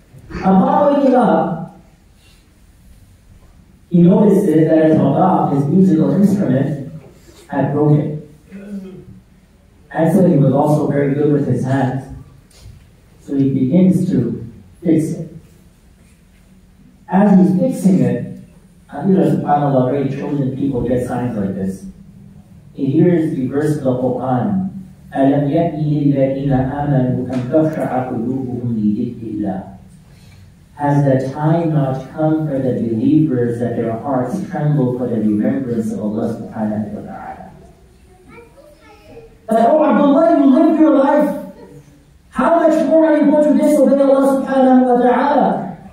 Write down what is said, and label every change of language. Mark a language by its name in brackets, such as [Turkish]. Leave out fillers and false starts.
[English] Upon waking up, he noticed that his rubab, his musical instrument, had broken. And so he was also very good with his hands. So he begins to fix it. As he's fixing it, Abdullah subhanAllah, very chosen people get signs like this. He hears the verse of the Quran, [Arabic] أَلَمْ يَأْنِ لِلَّذِينَ آمَنُوا أَنْ تَخْشَعَ قُلُوبُهُمْ لِذِكْرِ اللَّهِ. [English] Has the time not come for the believers that their hearts tremble for the remembrance of Allah subhanahu wa ta'ala? That, oh Abdullah, you lived your life. How much more are you going to disobey Allah subhanahu wa ta'ala?